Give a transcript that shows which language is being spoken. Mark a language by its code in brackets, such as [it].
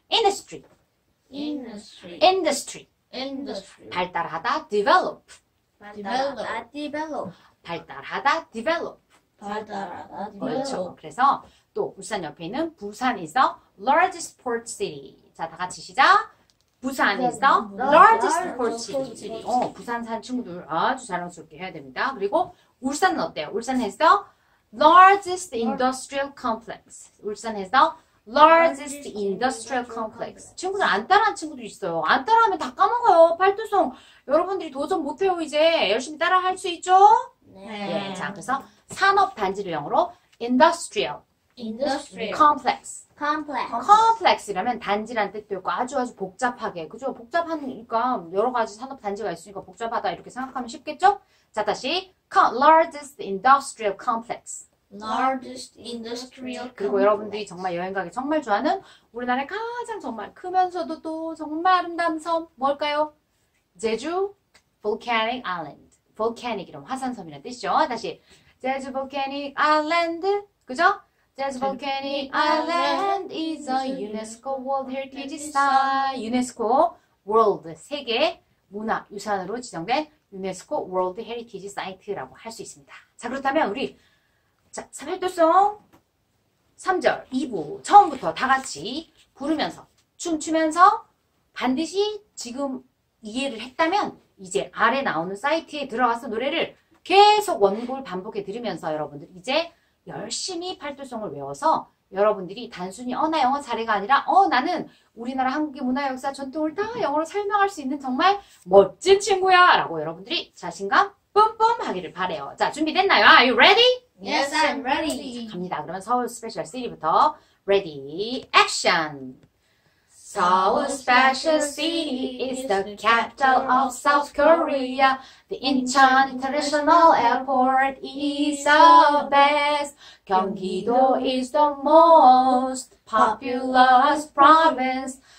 [en] industry. industry. industry. industry. [ko] 발달하다 develop. 발달하다 develop. 발달하다 develop. 발달하다 develop. 그렇죠. 그래서 또 울산 옆에 있는 부산 [en] is the largest port city. [ko] 자, 다 같이 시작. [en] 부산 is the largest port city. [ko] 부산산 친구들 아주 자랑스럽게 해야 됩니다. 그리고 울산은 어때요? [en] 울산 has the largest industrial complex. 울산 has the largest industrial complex. [ko] 친구들 안 따라한 친구들 있어요. 안 따라하면 다 까먹어요. 팔두송. 여러분들이 도전 못해요, 이제. 열심히 따라할 수 있죠? 네. 예, 자, 그래서 산업단지를 영어로 industrial. [en] industrial complex. complex. [ko] complex 이라면 단지란 뜻도 있고 아주 아주 복잡하게. 그죠? 복잡하니까 여러 가지 산업 단지가 있으니까 복잡하다 이렇게 생각하면 쉽겠죠? 자, 다시. [en] largest industrial complex. largest industrial complex. [ko] 그리고 여러분들이 정말 여행 가기 정말 좋아하는 우리나라의 가장 정말 크면서도 또 정말 아름다운 섬 뭘까요? [en] 제주 volcanic island. [ko] volcanic 이런 화산섬이란 뜻이죠. 다시. [en] 제주 volcanic island. [ko] 그죠? [en] There's volcanic island is a UNESCO World Heritage Site. [ko] UNESCO World 세계 문화 유산으로 지정된 UNESCO World Heritage Site라고 할 수 있습니다. 자, 그렇다면 우리 자, 삼팔도송 3절 2부 처음부터 다 같이 부르면서 춤추면서 반드시 지금 이해를 했다면 이제 아래 나오는 사이트에 들어가서 노래를 계속 원곡을 반복해 들으면서 여러분들 이제 열심히 팔두송을 외워서 여러분들이 단순히 나 영어 잘해가 아니라 나는 우리나라 한국의 문화 역사 전통을 다 영어로 설명할 수 있는 정말 멋진 친구야 라고 여러분들이 자신감 뿜뿜 하기를 바래요. 자, 준비됐나요? [en] Are you ready? Yes, I'm ready. [ko] 갑니다. 그러면 서울 스페셜 시리부터 [en] Ready, action! 서울 스페셜 시티 is the capital of South Korea. The Incheon International Airport is the best. 경기도 is the most populous province.